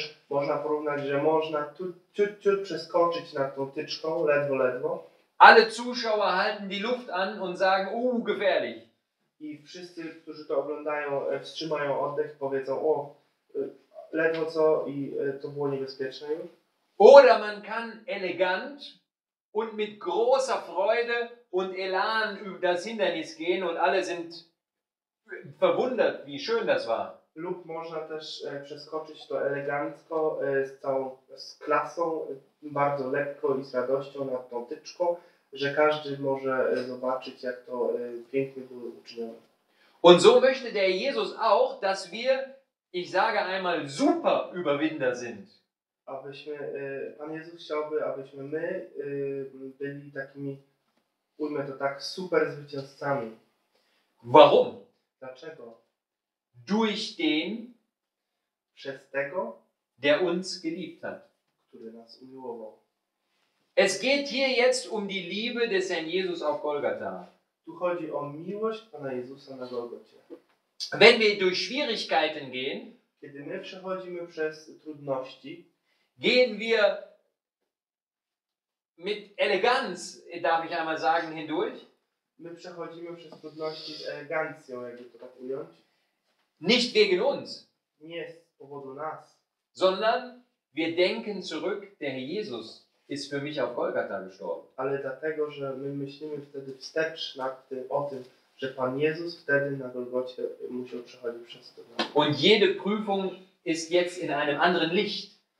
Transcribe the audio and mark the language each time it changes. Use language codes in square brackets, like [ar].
[pl] Można porównać, że można ciut przeskoczyć nad tą tyczką, ledwo. [de] Alle Zuschauer halten die Luft an und sagen, gefährlich. [pl] I wszyscy, którzy to oglądają, wstrzymają oddech, powiedzą, ledwo co i to było niebezpieczne już. [de] Oder man kann elegant und mit großer Freude und Elan über das Hindernis gehen und alle sind verwundert, wie schön das war. [pl] Lub można też przeskoczyć to elegancko, z całą z klasą, bardzo lekko i z radością nad tą tyczką, że każdy może zobaczyć, jak to pięknie było uczynione. [de] Und so möchte der Jesus auch, dass wir, ich sage einmal, super Überwinder sind. [pl] Abyśmy, Pan Jezus chciałby, abyśmy my byli takimi, ujmę to tak, super zwycięzcami. [de] Warum? [pl] Dlaczego? [de] Durch den, [pl] przez tego, [de] der uns geliebt hat. [pl] Który nas umiłował. [de] Es geht hier jetzt um die Liebe des Herrn Jesus auf Golgatha. [pl] Tu chodzi o miłość Pana Jezusa na Golgocie. [de] Wenn wir durch Schwierigkeiten gehen, [pl] kiedy my przechodzimy przez trudności, [de] gehen wir mit Eleganz, darf ich einmal sagen, hindurch. [pl] My przechodzimy przez trudności z elegancją, jakby to tak ująć. [de] Nicht wegen uns. [pl] Nie z powodu nas. [de] Sondern wir denken zurück, der Herr Jesus ist für mich auf Golgatha gestorben. [pl] Ale dlatego, że my myślimy wtedy wstecz o tym, że Pan Jezus wtedy na Golgocie musiał przechodzić przez to. [de] Und jede Prüfung ist jetzt in einem anderen Licht.